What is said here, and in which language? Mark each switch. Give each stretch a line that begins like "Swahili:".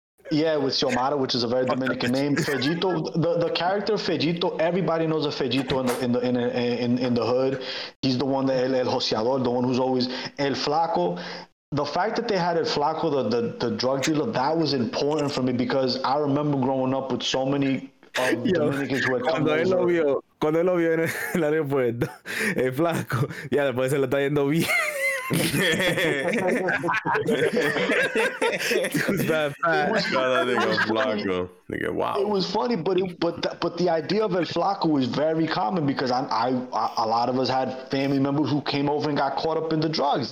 English: Yeah, with Xiomara, which is a very Dominican name. Fejito, the character Fejito, everybody knows a Fejito in the hood. He's the one,
Spanish: el joseador,
English: the one who's always el flaco. The fact that they had El Flaco, the drug dealer, that was important for me because I remember growing up with so many Dominicans who had come over.
Spanish: Cuando él lo vio en el aeropuerto, El Flaco, ya después se lo está yendo bien.
English: It was funny, but the idea of El Flaco was very common because I a lot of us had family members who came over and got caught up in the drugs.